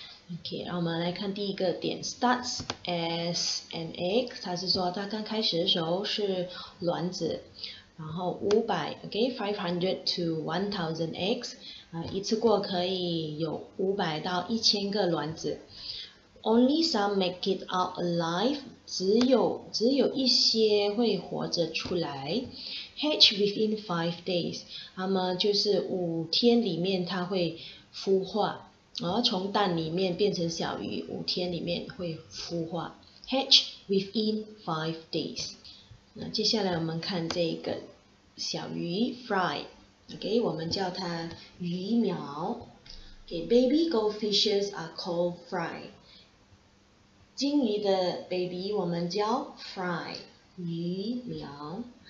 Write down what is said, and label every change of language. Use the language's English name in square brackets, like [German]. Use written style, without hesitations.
[Chinese] OK， 那我们来看第一个点 ， [English] starts as an egg， [Chinese] 它是说它刚开始的时候是卵子，然后 [English] 500 to 1000 eggs， [Chinese] 一次过可以有500到1000个卵子。 [English] Only some make it out alive， [Chinese] 只有一些会活着出来。 [English] Hatch within 5 days， [Chinese] 那么就是5天里面它会孵化，然后从蛋里面变成小鱼，5天里面会孵化。 [English] Hatch within 5 days。 [Chinese] 那接下来我们看这个小鱼 fry， OK， 我们叫它鱼苗。 [English] OK， baby goldfishes are called fry。 [Chinese] 鲸鱼的 baby 我们叫 fry， 鱼苗。